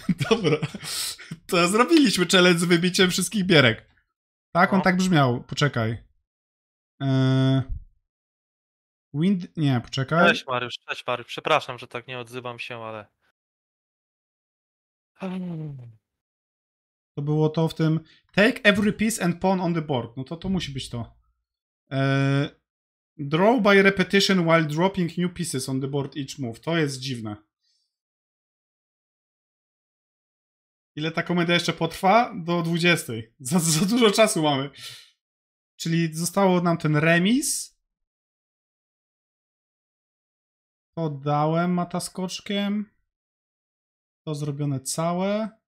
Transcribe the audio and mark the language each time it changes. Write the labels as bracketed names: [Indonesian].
[Polish] Dobra. To zrobiliśmy challenge z wybiciem wszystkich bierek. Tak, no. On tak brzmiał. Poczekaj. Wind... Nie, poczekaj. Cześć Mariusz. Przepraszam, że tak nie odzywam się, ale... To było to w tym... [English] Take every piece and pawn on the board. [Polish] No to musi być to. [English] Draw by repetition while dropping new pieces on the board each move. [Polish] To jest dziwne. Ile ta komedia jeszcze potrwa? Do 20. Za dużo czasu mamy. Czyli zostało nam ten remis. To dałem mata skoczkiem. To zrobione całe.